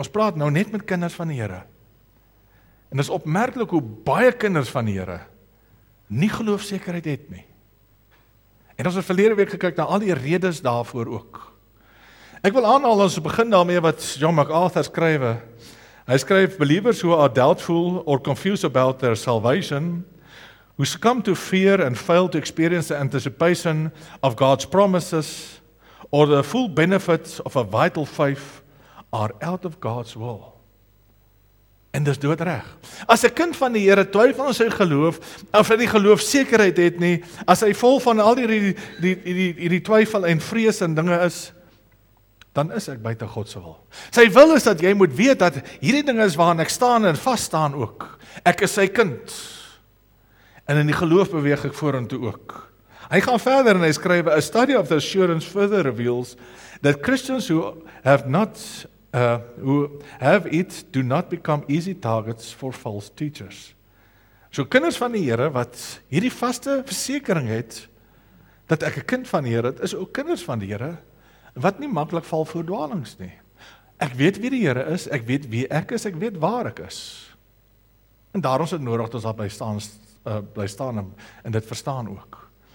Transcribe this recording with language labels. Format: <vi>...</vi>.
<af>Ons praat nou net met kinders van die Here. En dit is opmerklik hoe baie kinders van die Here nie geloofsekerheid het nie. En ons het verlede week gekyk na al die redes daarvoor ook. Ek wil aanhaal ons begin daarmee wat John MacArthur skrywe. Hy skryf,</af> <en>believers who are doubtful or confused about their salvation, who succumb to fear and fail to experience the anticipation of God's promises, or the full benefits of a vital faith, are out of God's will.</en> <af>En dis doodreg. As 'n kind van die Here twyfel aan sy geloof, of hy die geloof sekerheid het nie, as hy vol van al die twyfel en vrees en dinge is, dan is ek buite God se wil. Sy wil is dat jy moet weet dat hierdie dinge is waarin ek staan en vas staan ook. Ek is sy kind. En in die geloof beweeg ek vorentoe ook. Hy gaan verder en hy skryf,</af> <en>a study of the assurance further reveals that Christians who have it do not become easy targets for false teachers.</en> <af>So kinders van die Here wat hierdie vaste versekering het dat ek 'n kind van die Here het, is ook kinders van die Here wat nie maklik val voor dwalings nie. Ek weet wie die Here is, ek weet wie ek is, ek weet waar ek is. En daarom is dit nodig dat ons daarby staan en dit verstaan ook.</af>